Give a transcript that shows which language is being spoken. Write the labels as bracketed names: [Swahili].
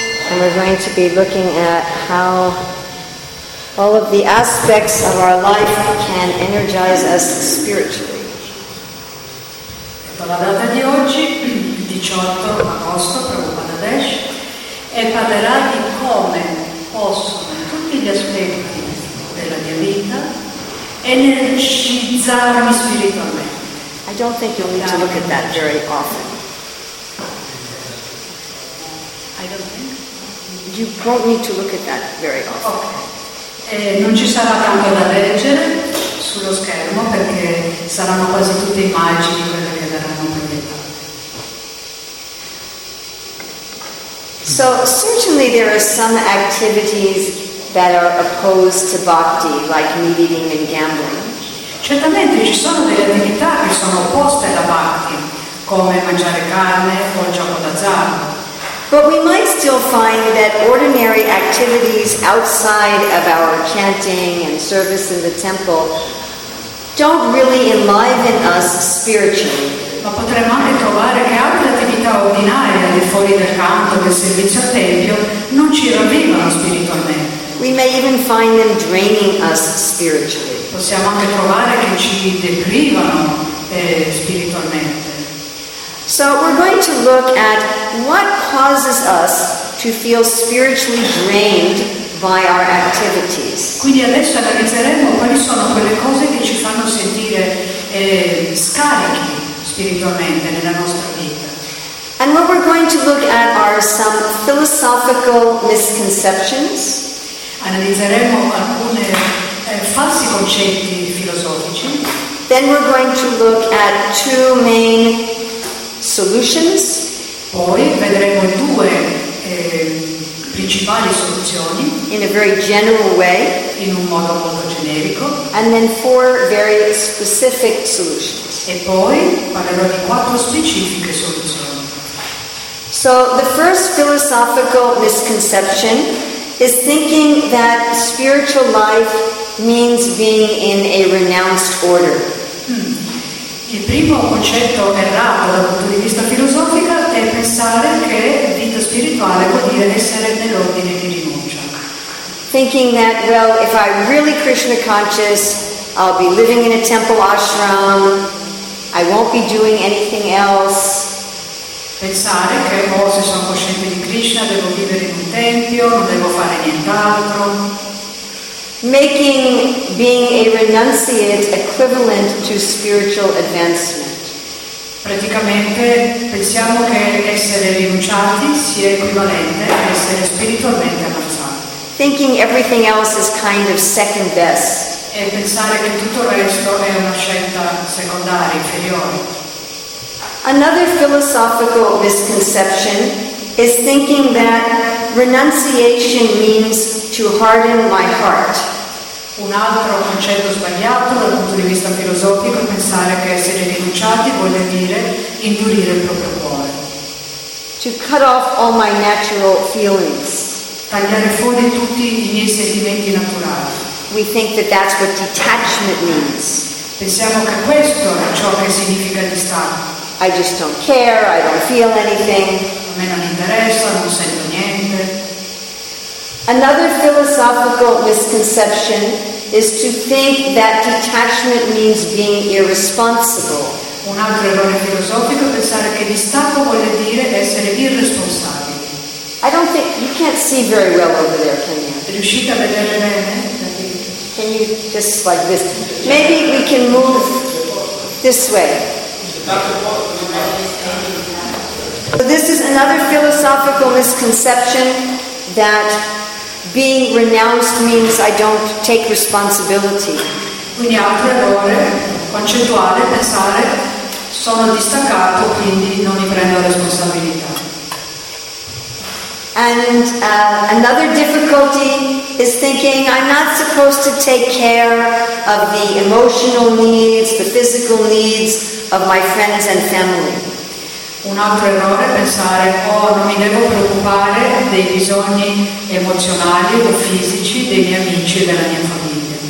[English] And we're going to be looking at how all of the aspects of our life can energize us spiritually. [Italian] La data di oggi, 18 agosto, Prabhupada Desh, e parlerà di come possono tutti gli aspetti della mia vita energizzarmi spiritualmente. [English] I don't think you'll need to look at that very often. I don't think. You won't need to look at that very often. Okay. [Italian] Non ci sarà tanto da leggere sullo schermo perché saranno quasi tutte immagini quelle che verranno proiettate. [English] So certainly there are some activities that are opposed to bhakti, like meat eating and gambling. [Italian] Certamente ci sono delle attività che sono opposte alla bhakti, come mangiare carne o il gioco d'azzardo. [English] But we might still find that ordinary activities outside of our chanting and service in the temple don't really enliven us spiritually. [Italian] Ma potremmo anche trovare che altre attività ordinarie, al di fuori del canto, del servizio al tempio, non ci ravvivano spiritualmente. [English] We may even find them draining us spiritually. [Italian] Possiamo anche trovare che ci deprivano spiritualmente. [English] So we're going to look at what causes us to feel spiritually drained by our activities. [Italian] Quindi adesso analizzeremo quali sono quelle cose che ci fanno sentire scarichi spiritualmente nella nostra vita. [English] And what we're going to look at are some philosophical misconceptions. [Italian] Analizzeremo alcune falsi concetti filosofici. [English] Then we're going to look at two main solutions. [Italian] Poi vedremo due principali soluzioni. [English] In a very general way. [Italian] In un modo molto generico. [English] And then four very specific solutions. [Italian] E poi parlerò di quattro specifiche soluzioni. [English] So the first philosophical misconception is thinking that spiritual life means being in a renounced order. [Italian] Il primo concetto errato dal punto di vista filosofico è pensare che vita spirituale vuol dire essere nell'ordine di rinuncia. [English] Thinking that, well, if I'm really Krishna conscious, I'll be living in a temple ashram, I won't be doing anything else. [Italian] Pensare che, oh, se sono cosciente di Krishna, devo vivere in un tempio, non devo fare nient'altro. [English] Making being a renunciate equivalent to spiritual advancement. [Italian] Praticamente pensiamo che essere rinunciati sia equivalente a essere spiritualmente avanzati. [English] Thinking everything else is kind of second best. [Italian] E pensare che tutto il resto è una scelta secondaria, inferiore. [English] Another philosophical misconception is thinking that renunciation means to harden my heart. [Italian] Un altro concetto sbagliato dal punto di vista filosofico è pensare che essere rinunciati vuole dire indurire il proprio cuore. [English] To cut off all my natural feelings. [Italian] Tagliare fuori tutti i miei sentimenti naturali. [English] We think that that's what detachment means. [Italian] Pensiamo che questo è ciò che significa distacco. [English] I just don't care, I don't feel anything. [Italian] A me non interessa, non sento niente. [English] Another philosophical misconception is to think that detachment means being irresponsible. [Italian] Un altro errore filosofico è pensare che distacco vuole dire essere irresponsabili. [English] I don't think you can't see very well over there, can you? [Italian] Riuscite a vedere bene? [English] Can you just like this? Maybe we can move this way. So this is another philosophical misconception that being renounced means I don't take responsibility. [Italian] Quindi altro errore concettuale pensare sono distaccato quindi non mi prendo responsabilità. [English] And another difficulty is thinking I'm not supposed to take care of the emotional needs, the physical needs of my friends and family. [Italian] Un altro errore è pensare, oh, non mi devo preoccupare dei bisogni emozionali o fisici dei miei amici e della mia famiglia.